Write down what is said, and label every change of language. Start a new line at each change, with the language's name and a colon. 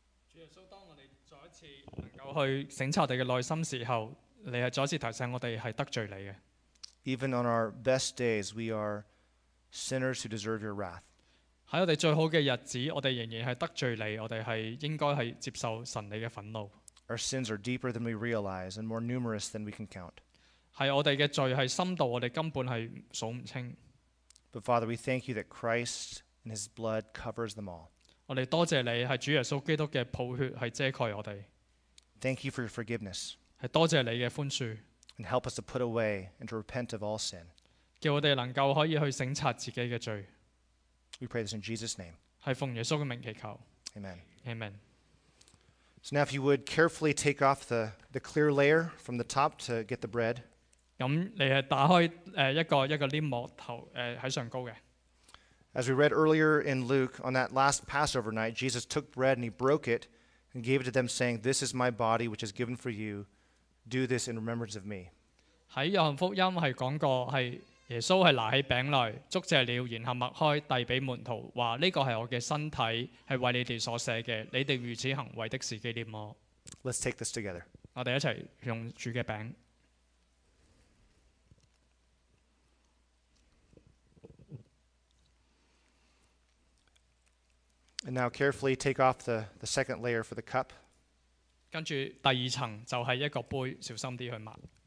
Cantonese: 主耶稣，当我哋再一次能够去省察我哋嘅内心时候，你系再一次提醒我哋系得罪你嘅。
English: Even on our best days, we are sinners who deserve your wrath.
Cantonese: 喺我哋最好嘅日子，我哋仍然系得罪你，我哋系应该系接受神你嘅愤怒。
English: Our sins are deeper than we realize and more numerous than we can count.
Cantonese: 系我哋嘅罪系深度，我哋根本系数唔清。
English: But Father, we thank you that Christ and his blood covers them all.
Cantonese: 我哋多谢你，系主耶稣基督嘅宝血系遮盖我哋。
English: Thank you for your forgiveness.
Cantonese: 係多謝你嘅寬恕。
English: And help us to put away and to repent of all sin.
Cantonese: 叫我哋能夠可以去省察自己嘅罪。
English: We pray this in Jesus' name.
Cantonese: 係奉耶穌嘅名祈求。
English: Amen. Amen. So now, if you would carefully take off the clear layer from the top to get the bread.
Cantonese: 咁你係打開一個黏膜頭喺上高嘅。
English: As we read earlier in Luke, on that last Passover night, Jesus took bread and he broke it and gave it to them, saying, "This is my body, which is given for you. Do this in remembrance of me."
Cantonese: 喺約翰福音係講過，係耶穌係拿起餅來，祝謝了，然後擘開遞俾門徒，話：呢個係我嘅身體，係為你哋所捨嘅。你哋如此行，為的是紀念我。
English: Let's take this together.
Cantonese: 我哋一齊用主嘅餅。
English: And now carefully take off the second layer for the cup.
Cantonese: 跟住第二层就系一个杯，小心啲去抹。